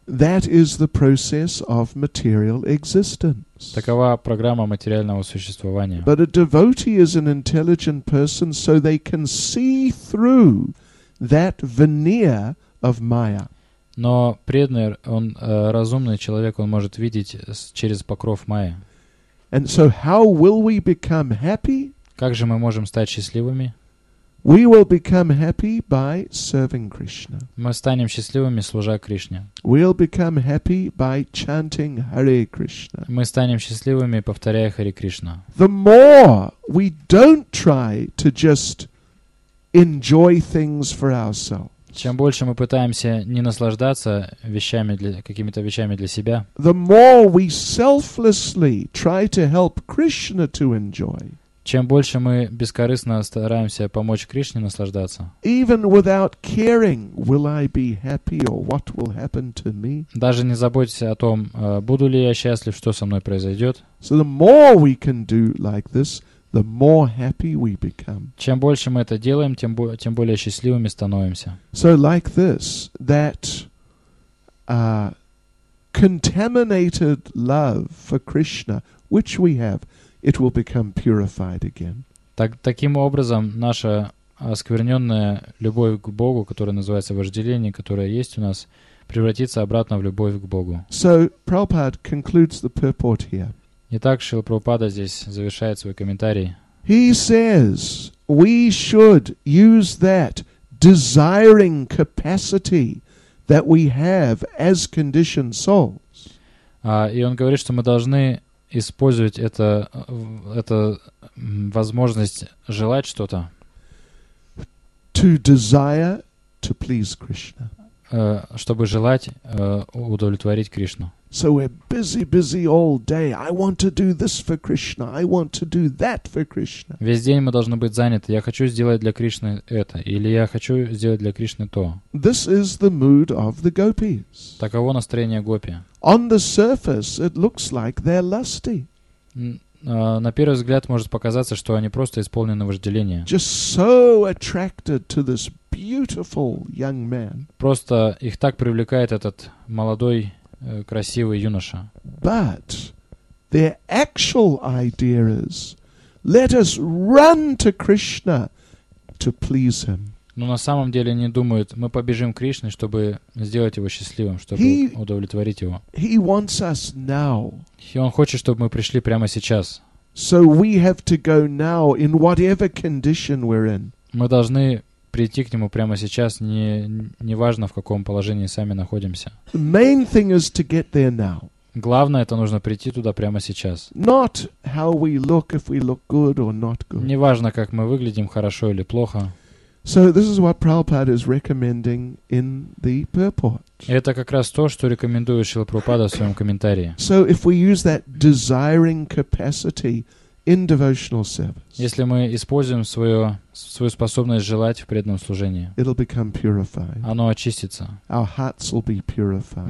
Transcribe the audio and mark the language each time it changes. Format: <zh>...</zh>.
<en>That is the process of material existence.</en> <ru>Такова программа материального существования.</ru> <en>But a devotee is an intelligent person, so they can see through that veneer of Maya.</en> <ru>Но преданный, он разумный человек, он может видеть через покров Майи.</ru> <en>And so how will we become happy?</en> <ru>Как же мы можем стать счастливыми?</ru> <en>We will become happy by serving Krishna.</en> <ru>Мы станем счастливыми, служа Кришне.</ru> <en>We'll become happy by chanting Hare Krishna.</en> <ru>Мы станем счастливыми, повторяя Хари Кришна.</ru> <en>The more we don't try to just enjoy things for ourselves.</en> <ru>Чем больше мы пытаемся не наслаждаться вещами для какими-то вещами для себя.</ru> <en>The more we selflessly try to help Krishna to enjoy.</en> <ru>Чем больше мы бескорыстно стараемся помочь Кришне наслаждаться,</ru> <en>even without caring, will I be happy or what will happen to me?</en> <ru>Даже не заботясь о том, буду ли я счастлив, что со мной произойдет.</ru> <en>So the more we can do like this, the more happy we become.</en> <ru>Чем больше мы это делаем, тем более счастливыми становимся.</ru> <en>So like this, that contaminated love for Krishna, which we have. It will become purified again.</en> <ru>Таким образом, наша оскверненная любовь к Богу, которая называется вожделение, которое есть у нас, превратится обратно в любовь к Богу.</ru> <en>So, Prabhupada concludes the purport here.</en> <ru>Итак, Шрила Прабхупада здесь завершает свой комментарий.</ru> <en>He says, we should use that desiring capacity that we have as conditioned souls.</en> <ru>И он говорит, что мы должны использовать это возможность желать что-то.</ru> <en>To desire to please Krishna.</en> <ru>Чтобы желать удовлетворить Кришну.</ru> <en>So we're busy all day. I want to do this for Krishna. I want to do that for Krishna.</en> <ru>Весь день мы должны быть заняты. Я хочу сделать для Кришны это. Или я хочу сделать для Кришны то.</ru> <en>This is the mood of the gopis.</en> <ru>Таково настроение гопи.</ru> <en>On the surface, it looks like they're lusty.</en> <ru>На первый взгляд может показаться, что они просто исполнены вожделения.</ru> <en>Just so attracted to this beautiful young man.</en> <ru>Просто их так привлекает этот молодой, красивый юноша.</ru> <en>But their actual idea is, let us run to Krishna to please him.</en> <ru>Но на самом деле они думают, мы побежим к Кришне, чтобы сделать его счастливым, чтобы удовлетворить его.</ru> <en>He wants us now.</en> <ru>И он хочет, чтобы мы пришли прямо сейчас.</ru> <en>So we have to go now in whatever condition we're in.</en> <ru>Мы должны прийти к нему прямо сейчас, не важно, в каком положении сами находимся.</ru> <en>The main thing is to get there now.</en> <ru>Главное, это нужно прийти туда прямо сейчас.</ru> <en>Not how we look, if we look good or not good.</en> <ru>Не важно, как мы выглядим, хорошо или плохо.</ru> <en>So this is what Prabhupada is recommending in the purport.</en> <ru>Это как раз то, что рекомендует Шрила Прабхупада в своем комментарии.</ru> <en>So if we use that desiring capacity in devotional service,</en> <ru>если мы используем свою способность желать в преданном служении,</ru> <en>it'll become purified.</en> <ru>Оно очистится.</ru> <en>Our hearts will be purified.</en>